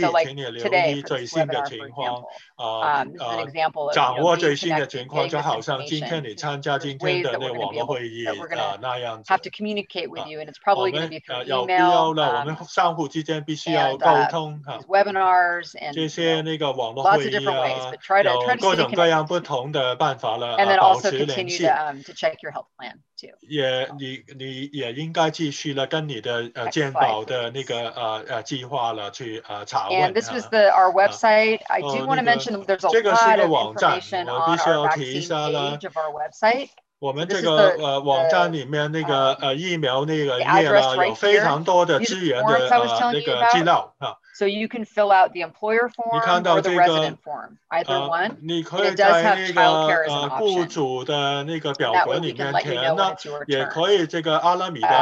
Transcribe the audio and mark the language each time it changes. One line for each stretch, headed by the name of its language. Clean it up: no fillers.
English: So like today, for this webinar, for example, an example of being connected and getting information, ways that we're going to be able to, that we're going to have to communicate with you, and it's probably going to be through email, webinars, and lots of different ways, but try to stay connected with you, and then also continue to check your health plan.
Chinese: 也你也应该继续了跟你的健保的那个计划了去查问。
English: And this was our website. I do want to mention there's a lot of information on our vaccine page of our website.
Chinese: 我们这个网站里面那个疫苗那个页呢，有非常多的资源的那个资料啊。
English: So you can fill out the employer form or the resident form, either one. And it does have child care as an option. And that way we can let you know when it's your turn.